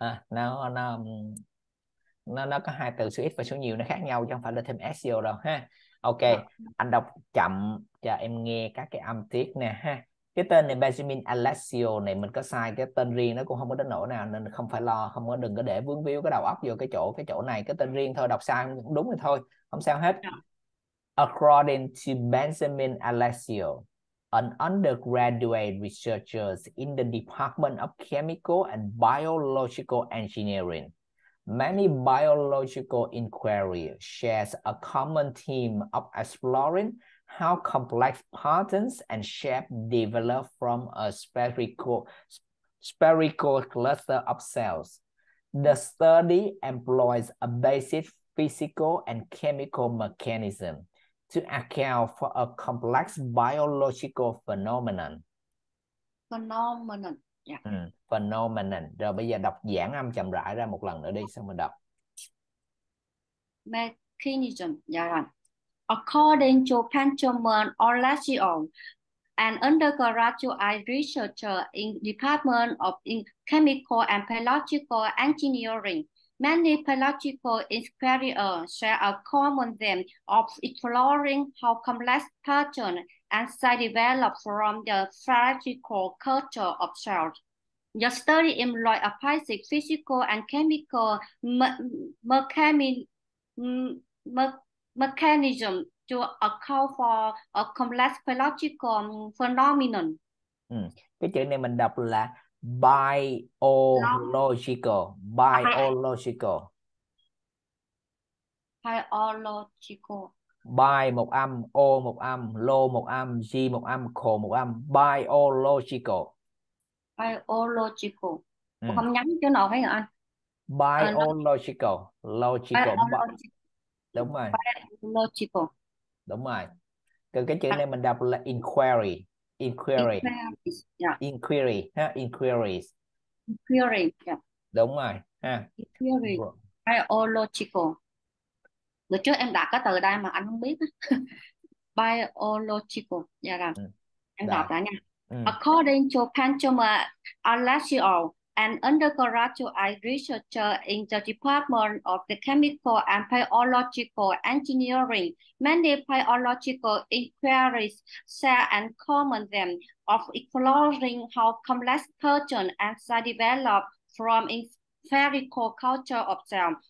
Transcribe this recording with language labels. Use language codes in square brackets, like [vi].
[vi] Nó có hai từ, số ít và số nhiều, nó khác nhau chứ không phải là thêm SEO đâu ha. Ok, anh đọc chậm cho em nghe các cái âm tiết nè ha. Cái tên này Benjamin Alessio này mình có sai cái tên riêng, nó cũng không có đến nỗi nào, nên không phải lo, không có, đừng có để vướng víu cái đầu óc vô cái chỗ này, cái tên riêng thôi, đọc sai cũng đúng rồi thôi, không sao hết. [en] According to Benjamin Alessio, an undergraduate researcher in the Department of Chemical and Biological Engineering, many biological inquiries share a common theme of exploring how complex patterns and shapes develop from a spherical cluster of cells. The study employs a basic physical and chemical mechanism to account for a complex biological phenomenon. Phenomenon. Yeah. Phenomenon. [vi] Rồi bây giờ đọc giãn âm chậm rãi ra một lần nữa đi, xong rồi đọc. [en] Mechanism. Yeah. According to Benjamin Orlesio, an undergraduate researcher in Department of Chemical and Biological Engineering, many biological inquirers share a common theme of exploring how complex patterns and sites develop from the physical culture of cells. The study employs a basic physical and chemical mechanism to account for a complex biological phenomenon. [vi] Cái chữ này mình đọc là biological. [en] Biological. Biological. [vi] Bi một âm, o một âm, lo một âm, g một âm, khổ một âm. [en] Biological. Biological. [vi] Không nhắn chỗ nào thấy hả anh? [en] Biological. Logical. Biological. [vi] Đúng rồi. [en] Biological. [vi] Đúng rồi. Còn cái chữ này mình đọc là inquiry. [en] Inquiry. Yeah. Inquiry. Ha? Inquiries. Inquiry. Yeah. [vi] Đúng rồi. Ha? [en] Inquiry. Biological. [vi] Người trước em đặt cái từ đây mà anh không biết. Biological. Dạ yeah, là. Em đọc đã nha. [en] According to Panchoma Alessio, an undergraduate researcher in the Department of the Chemical and Biological Engineering. Many biological inquiries share and common them of exploring how complex cultures and cells develop from spherical culture of cell.